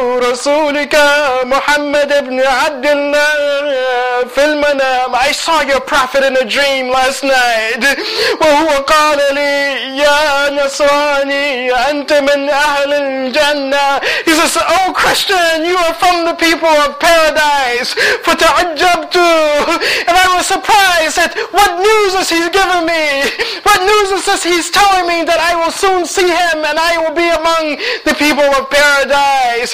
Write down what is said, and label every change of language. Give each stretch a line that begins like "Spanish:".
Arabic: رسولك محمد بن عبد الله في المنام.
English: I saw your prophet in a dream last night.
Arabic: وهو قال لي يا نصراني أنت من أهل الجنة.
English: He says, oh Christian, you are from the people of paradise.
Arabic: فتعجبت.
English: And I was surprised at what news is he giving me. What news is this he's telling me that I will soon see him and I will be among the people of paradise.